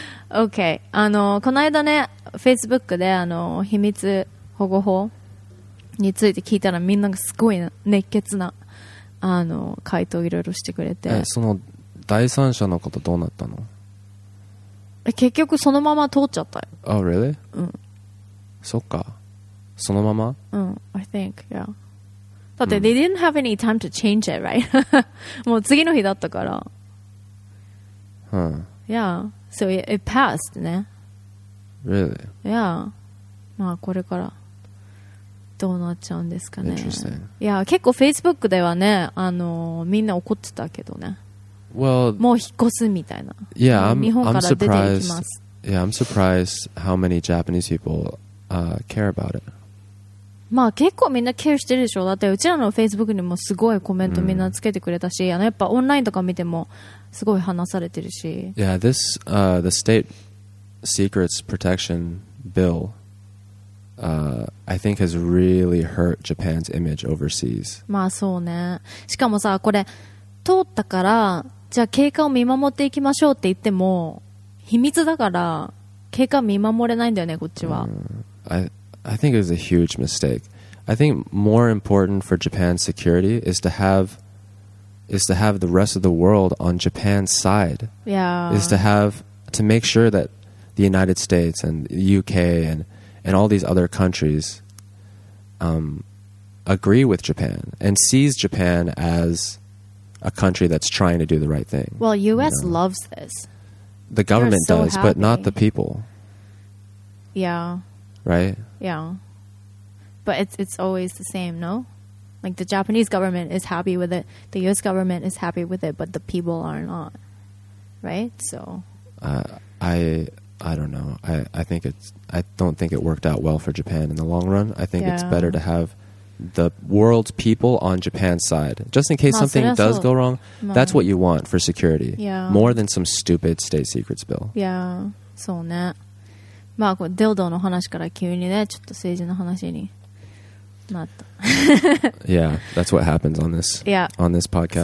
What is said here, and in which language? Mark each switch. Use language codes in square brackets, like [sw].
[ja] OK、 あのこの間ね、 Facebook であの秘密保護法について聞いたら、みんながすごい熱血なあの回答いろいろしてくれて、その第三者のことどうなったの？結局そのまま通っちゃったよ。 [en] Oh really? [ja] うん、そっか、そのまま、 [en] うん、 I think yeah、 [ja] だって、 [en] うん、they didn't have any time to change it right? [ja] もう次の日だったから、うん、 [en] yeahSo it passed, [ja] ね? [en] Really? Yeah. [ja] まあこれからどうなっちゃうんですかね。 [en] Interesting. [ja] Yeah, 結構 Facebook ではね、みんな怒ってたけどね。 [en] Well, [ja] もう引っ越すみたいな。 [en] Yeah, [ja] 日本から出ていきます。 [en] I'm surprised. Yeah, I'm surprised how many Japanese people care about it. [ja] まあ結構みんなケアしてるでしょ。だってうちらの Facebook にもすごいコメントみんなつけてくれたし、mm. あのやっぱオンラインとか見ても。すごい話されてるし。 [en] Yeah, this, the State Secrets Protection Bill, I think has really hurt Japan's image overseas. [ja] まあそうね。しかもさ、これ通ったから、じゃあ経過を見守っていきましょうって言っても秘密だから経過見守れないんだよねこっちは、 [en] I think it was a huge mistake. I think more important for Japan's security is to have the rest of the world on Japan's side. Yeah. To make sure that the United States and the UK and all these other countries agree with Japan and sees Japan as a country that's trying to do the right thing. Well, US you know? Loves this. The government They're so does, happy. But not the people. Yeah. Right? Yeah. But it's always the same, no? Like the Japanese government is happy with it. The US government is happy with it, but the people are not. Right? So... I don't know. I don't think it worked out well for Japan in the long run. I think it's better to have the world's people on Japan's side. Just in case something does go wrong, that's what you want for security. Yeah. More than some stupid state secrets bill. [ja] Yeah. そうね。まあ、デルドの話から急にね、ちょっと政治の話になった。 [en] Yeah, that's what happens on this, on this podcast.